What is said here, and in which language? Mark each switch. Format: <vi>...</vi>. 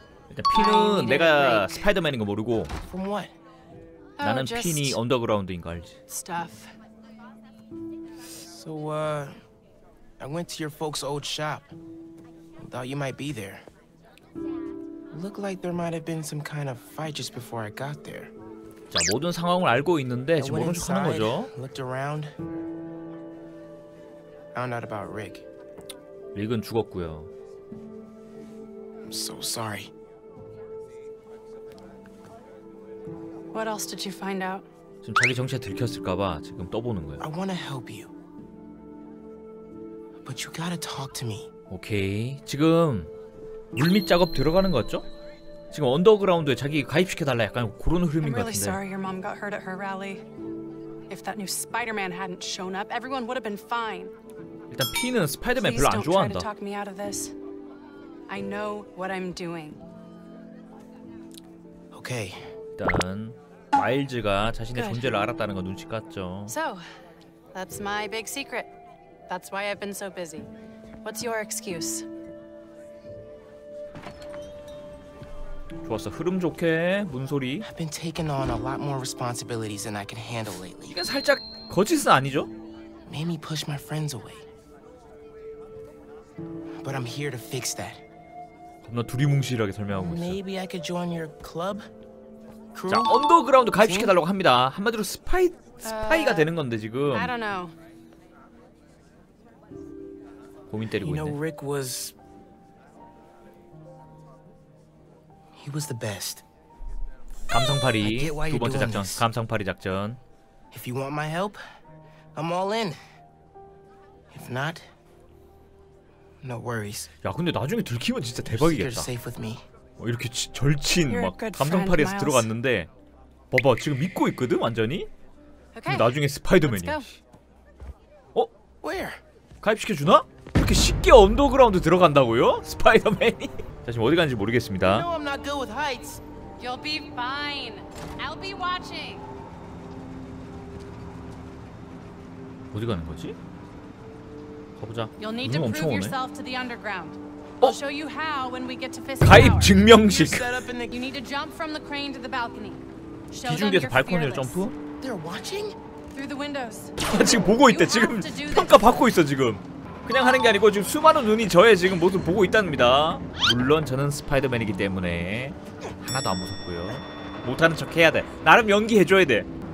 <ko>일단 핀은 내가 스파이더맨인 거 모르고 나는 핀이 언더그라운드인 거 알지.</ko> <en>Stuff. So I went to your folks' old shop. Thought you might be there. Looked like there might have been some kind of fight just before I got there.</en> <ko>자, 모든 상황을 알고 있는데 지금 모른 척하는 거죠.</ko> <en>Looked around. Found out about Rick.</en> <ko>릭은 죽었고요.</ko> <en>I'm so sorry. What else did you find out?</en> <ko>지금 자기 정체 들켰을까 봐 지금 떠보는 거예요.</ko> <en>I want to help you. But you gotta talk to me.</en> <ko>오케이. 지금 물밑 작업 들어가는 거 같죠? 지금 언더그라운드에 자기 가입시켜 달라 약간 그런 흐름인 거 같은데.</ko> <en>I'm really sorry your mom got hurt at her rally. If that new Spider-Man hadn't shown up, everyone would have been fine.</en> <ko>일단 피는 스파이더맨 별로 안 좋아한다.</ko> <en>Please don't try to talk me out of this. I know what I'm doing. Okay.</en> <ko>일단 마일즈가 자신의</ko> <en>Good.</en> <ko>존재를 알았다는 거 눈치 깠죠.</ko> <en>So, that's my big secret. That's why I've been so busy. What's your excuse?</en> <ko>좋았어. 흐름 좋게. 문소리.</ko> <en>I've been taking on a lot more responsibilities than I can handle lately.</en> <ko>이건 살짝 거짓은 아니죠?</ko> <en>Made me push my friends away. But I'm here to fix that.</en> <ko>겁나 두리뭉실하게 설명하고 있어.</ko> <en>Maybe I could join your club?</en> <ko>자, 언더그라운드 가입시켜 달라고 합니다. 한마디로 스파이가 되는 건데 지금.</ko> <en>I don't know.</en> <ko>고민 때리고 있네.</ko> <en>You know, Rick was... He was the best.</en> <ko>감성팔이 두 번째 작전. 감성팔이 작전.</ko> <en>If you want my help, I'm all in. If not, no worries.</en> <ko>야, 근데 나중에 들키면 진짜 대박이겠다. 이렇게 절친 막 감성팔이에서 들어갔는데 봐봐, 지금 믿고 있거든 완전히. 근데 나중에 스파이더맨이. 어?</ko> <en>Where?</en> <ko>가입시켜 주나? 이렇게 쉽게 언더그라운드 들어간다고요? 스파이더맨이? 자, 지금 어디 가는지 모르겠습니다.</ko> <en>You know I'm not good with heights. You'll be fine. I'll be watching.</en> <ko>어디 가는 거지? 가보자.</ko> <en>You'll need to prove yourself to the underground. I'll show you how when we get to Fisk.</en> <ko>가입 증명식.</ko> <en>You need to jump from the crane to the balcony.</en> <ko>기중대에서 발코니로 점프?</ko> <en>They're watching? Through the windows.</en> <ko>지금 보고 있대. 지금 평가 받고 있어 지금. 그냥 하는 게 아니고 지금 수많은 눈이 저의 지금 모습 보고 있답니다. 물론 저는 스파이더맨이기 때문에 하나도 안 무섭고요. 못하는 척 해야 돼. 나름 연기 해줘야 돼.</ko>